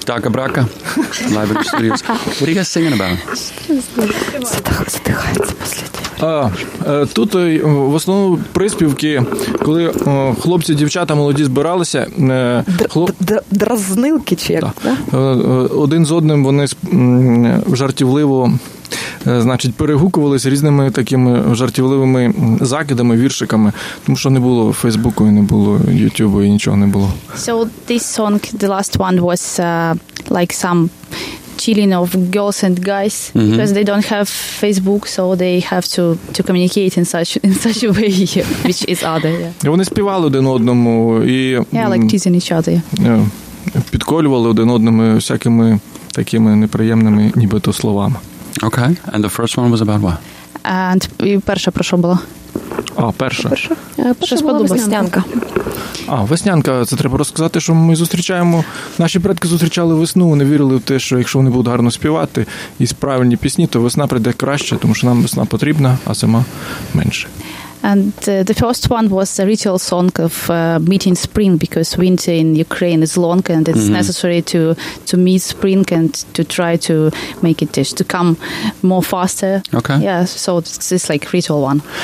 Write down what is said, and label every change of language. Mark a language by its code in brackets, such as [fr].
[en] Брака, live in studios. What are you guys singing about? [uk] Тут в основному приспівки, коли хлопці, дівчата, молоді збиралися. Дразнилки чи як? Один з одним вони жартівливо, значить, перегукувалися різними такими жартівливими закидами, віршиками, тому що не було Фейсбуку і не було Ютубу і нічого не було. [en] So this song, the last one, was like some chilling of girls and guys, mm-hmm. because they don't have Facebook, so they have to communicate in such a way, which is other. Yeah. [uk] Вони співали один одному і [en] like teasing each other. [uk] Підколювали один одному всякими такими неприємними нібито словами. [en] Okay, and the first one was about what? [uk] And перша про що була? А, перша. Перша була веснянка. А, веснянка, це треба розказати, що ми зустрічаємо, наші предки зустрічали весну, вони вірили в те, що якщо вони будуть гарно співати і правильні пісні, то весна прийде краще, тому що нам весна потрібна, а зима менше. [en] And the first one was the ritual song of meeting spring, because winter in Ukraine is long and it's mm-hmm. necessary to meet spring and to try to make it to come more faster. Okay. Yeah, so it's like ritual one.